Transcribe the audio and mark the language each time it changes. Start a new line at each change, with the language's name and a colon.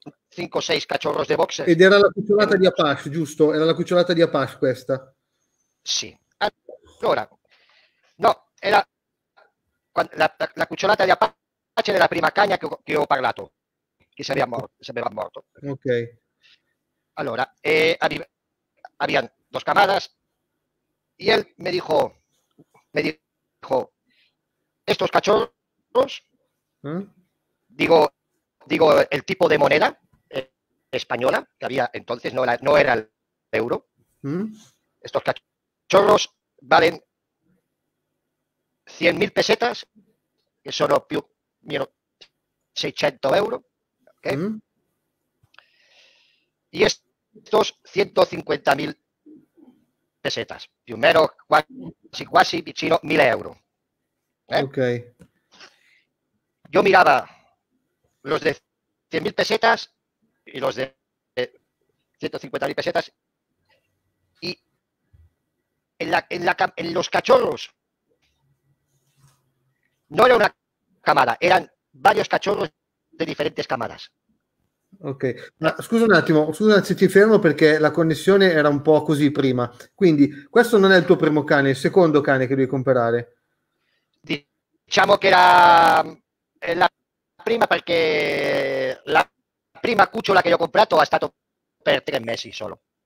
Spanish: 5 o 6 cachorros de boxer.
Italian: Ed era la cucciolata di Apache, giusto? Era la cucciolata di Apache questa? Sì. Allora, no, era la cucciolata di Apache della prima cagna che ho parlato, che si aveva morto. Ok.
Spanish: Allora, había dos camadas y él me dijo, estos cachorros, digo el tipo de moneda española que había entonces, no era el euro. Estos cachorros valen 100.000 pesetas, que son
Italian: più meno
Spanish: 600 euros, ¿okay? Y estos 150.000 pesetas,
Italian: più meno quasi vicino
Spanish: 1.000 euros, ¿eh? Okay. Yo miraba los de 100.000 pesetas y los de 150.000 pesetas, y en los cachorros no era una camada, eran varios cachorros de diferentes camadas.
Italian: Ok, ma scusa un attimo se ti fermo perché la connessione era un po' così prima, quindi questo non è il tuo primo cane, è il secondo cane che devi comprare. Diciamo che era la prima, perché la prima cucciola che io ho comprato è stato per 3 mesi solo.